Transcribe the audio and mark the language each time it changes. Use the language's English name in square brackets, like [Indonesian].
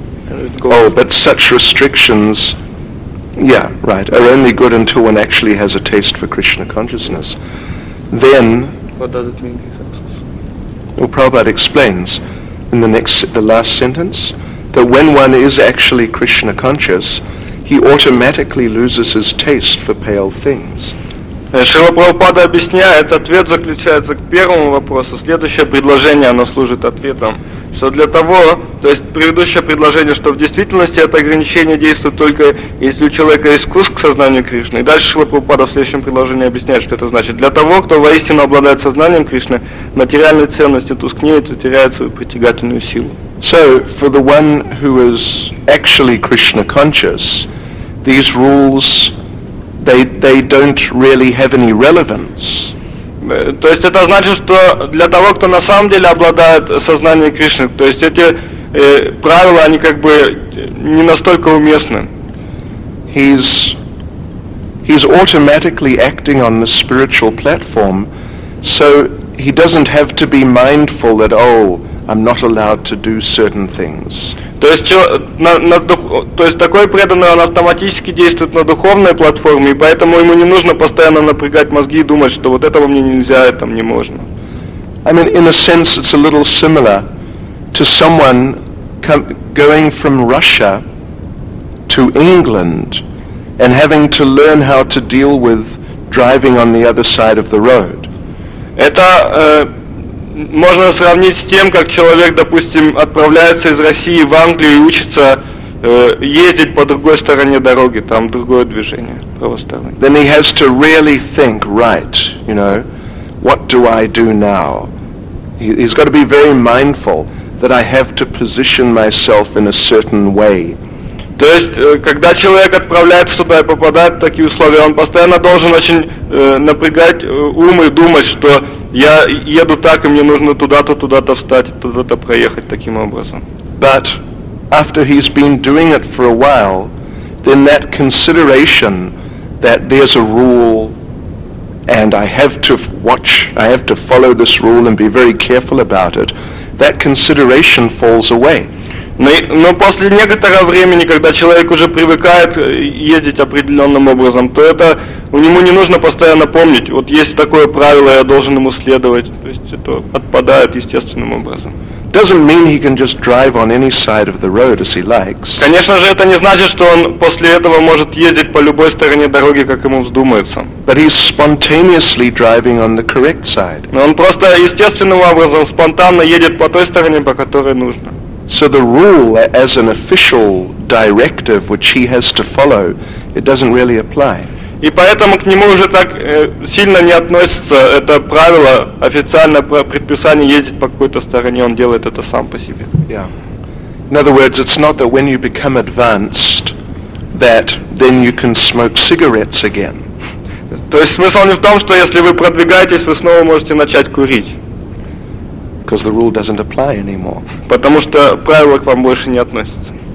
[English] Oh, but such restrictions, yeah, right, are only good until one actually has a taste for Krishna consciousness. Then, what does it mean? Well, Prabhupada explains in the last sentence, But when one is actually Krishna conscious, he automatically loses his taste for pale things. [Russian] Шрила Прабхупада объясняет, ответ заключается к первому вопросу. Следующее предложение, оно служит ответом. Что для того, то есть предыдущее предложение, что в действительности это ограничение действует только если у человека искус к сознанию Кришны. И дальше Шрила Прабхупада в следующем предложении объясняет, что это значит. Для того, кто воистину обладает сознанием Кришны, материальные ценности тускнеют и теряют свою притягательную силу. [English] So, for the one who is actually Krishna conscious, these rules, they don't really have any relevance. [Russian] То есть это значит, что для того, кто на самом деле обладает сознанием Кришны, то есть эти правила, они как бы не настолько уместны. [English] He's automatically acting on the spiritual platform, so he doesn't have to be mindful that, oh, I'm not allowed to do certain things. [Russian] То есть, то есть такой преданный, он автоматически действует на духовной платформе, и поэтому ему не нужно постоянно напрягать мозги и думать, что вот этого мне нельзя, это мне можно. [English] I mean, in a sense, it's a little similar to someone going from Russia to England and having to learn how to deal with driving on the other side of the road. [Russian] Это можно сравнить с тем, как человек, допустим, отправляется из России в Англию и учится ездить по другой стороне дороги, там другое движение, правосторонне. [English] Then he has to really think, right, you know, what do I do now? He's got to be very mindful that I have to position myself in a certain way. [Russian] То есть, когда человек отправляется туда и попадает в такие условия, он постоянно должен очень напрягать ум и думать, что я еду так, и мне нужно туда-то встать, туда-то проехать таким образом. [English] But after he's been doing it for a while, then that consideration that there's a rule and I have to watch, I have to follow this rule and be very careful about it, that consideration falls away. [Russian] Но после некоторого времени, когда человек уже привыкает ездить определенным образом, то это ему не нужно постоянно помнить. Вот есть такое правило, я должен ему следовать. То есть это отпадает естественным образом. [English] Doesn't mean he can just drive on any side of the road as he likes. [Russian] Конечно же, это не значит, что он после этого может ездить по любой стороне дороги, как ему вздумается. [English] But he's spontaneously driving on the correct side. [Russian] Но он просто естественным образом спонтанно едет по той стороне, по которой нужно. [English] So the rule as an official directive which he has to follow, it doesn't really apply. [Russian] И поэтому к нему уже так сильно не относится это правило, официальное предписание ездить по какой-то стороне, он делает это сам по себе. [English] Yeah. In other words, it's not that when you become advanced that then you can smoke cigarettes again. [Russian] То есть смысл не в том, что если вы продвигаетесь, вы снова можете начать курить. [English] Because the rule doesn't apply anymore. [Russian] Потому что правило к вам больше не относится.